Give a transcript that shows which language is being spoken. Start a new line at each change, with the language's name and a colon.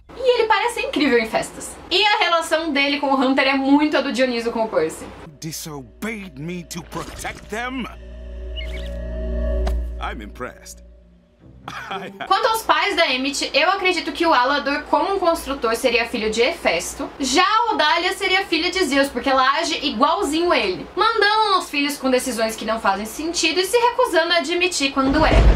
Portuguese: E ele parece incrível em festas. E a relação dele com o Hunter é muito a do Dionísio com o Percy.
English: Disobeyed me to protect them? I'm impressed.
Portuguese: Quanto aos pais da Emmett, eu acredito que o Alador, como um construtor, seria filho de Hefesto. Já a Odália seria filha de Zeus, porque ela age igualzinho a ele, mandando os filhos com decisões que não fazem sentido e se recusando a admitir quando é.